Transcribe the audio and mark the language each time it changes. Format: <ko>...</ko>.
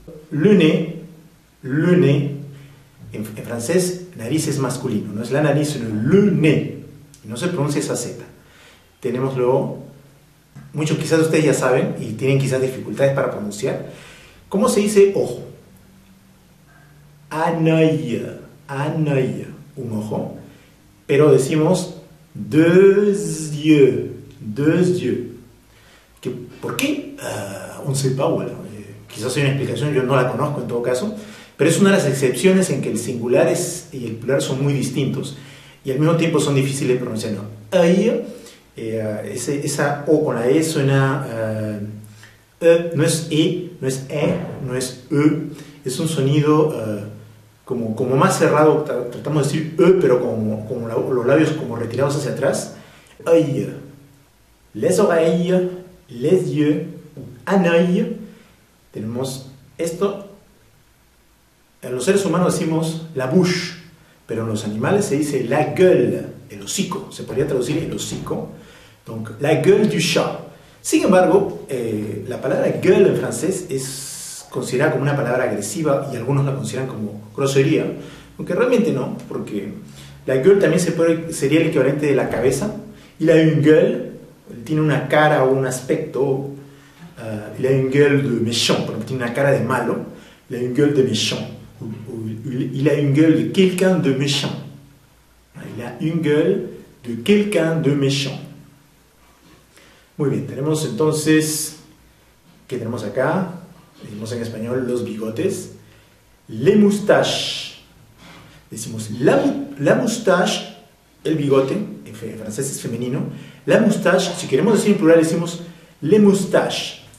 <es>Le nez, en francés, nariz es masculino, no es la nariz, sino le nez, y no se pronuncia esa Z. Tenemos luego, muchos quizás ustedes ya saben, y tienen quizás dificultades para pronunciar, ¿cómo se dice ojo?</es> <fr>Un oeil, un oeil,</fr> <es>un ojo, pero decimos</es> <fr>deux yeux, deux yeux.</fr> <es>¿Por qué?</es> <fr>On ne sait pas, voilà.</fr> <es>Quizás hay una explicación, yo no la conozco en todo caso, pero es una de las excepciones en que el singular y el plural son muy distintos y al mismo tiempo son difíciles de pronunciar. No. Esa O con la E suena no es E, no es E, no es E, es un sonido como más cerrado, tratamos de decir E, pero como los labios como retirados hacia atrás.</es> <fr>Les oreilles, les yeux, un oeil.</fr> <es>Tenemos esto, en los seres humanos decimos la bouche, pero en los animales se dice la gueule, el hocico, se podría traducir el hocico,</es> <fr>donc la gueule du chat.</fr> <es>Sin embargo, la palabra gueule en francés es considerada como una palabra agresiva y algunos la consideran como grosería, aunque realmente no, porque la gueule también sería el equivalente de la cabeza, y la une gueule tiene una cara o un aspecto.</es> <fr>Il a une gueule de méchant,</fr> <es>por ejemplo, tiene una cara de malo.</es> <fr>Il a une gueule de méchant. Il a une gueule de quelqu'un de méchant. Il a une gueule de quelqu'un de méchant.</fr> <es>Muy bien, tenemos entonces, ¿qué tenemos acá? Decimos en español los bigotes.</es> <fr>Les moustaches.</fr> <es>Decimos la moustache, el bigote, en francés es femenino. La moustache, si queremos decir en plural, decimos les moustaches.</es>